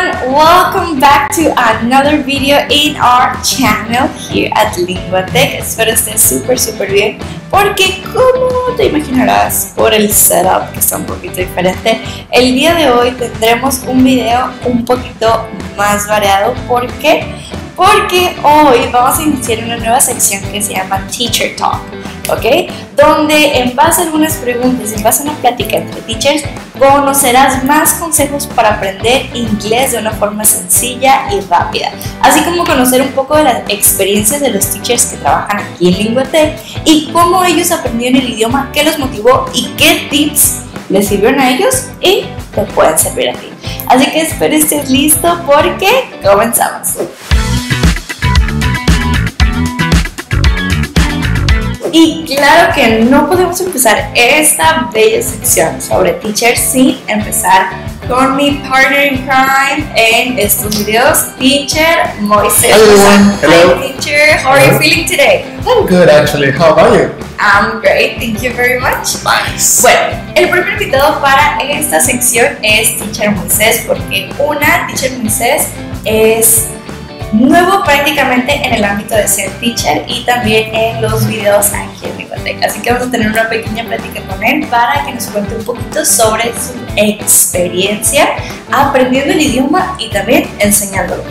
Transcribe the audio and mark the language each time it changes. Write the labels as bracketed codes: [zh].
[en] Welcome back to another video in our channel here at LinguaTech. [es] Espero estén súper, súper bien. Porque como te imaginarás por el setup que está un poquito diferente, el día de hoy tendremos un video un poquito más variado. ¿Por qué? Porque hoy vamos a iniciar una nueva sección que se llama Teacher Talk, ¿ok? Donde en base a algunas preguntas, en base a una plática entre teachers, conocerás más consejos para aprender inglés de una forma sencilla y rápida. Así como conocer un poco de las experiencias de los teachers que trabajan aquí en LinguaTech y cómo ellos aprendieron el idioma, qué los motivó y qué tips les sirvieron a ellos y te pueden servir a ti. Así que espero estés listo porque comenzamos. Y claro que no podemos empezar esta bella sección sobre teachers sin empezar con mi [en] partner in crime [es] en estos videos, teacher Moises. [en] Hello everyone. Hello. Hi teacher, how are you feeling today? I'm good actually, how about you? I'm great, thank you very much. Nice. [es] Bueno, el primer invitado para esta sección es teacher Moises, porque teacher Moises es nuevo prácticamente en el ámbito de ser teacher y también en los videos aquí en LinguaTech. Así que vamos a tener una pequeña plática con él para que nos cuente un poquito sobre su experiencia aprendiendo el idioma y también enseñándolo.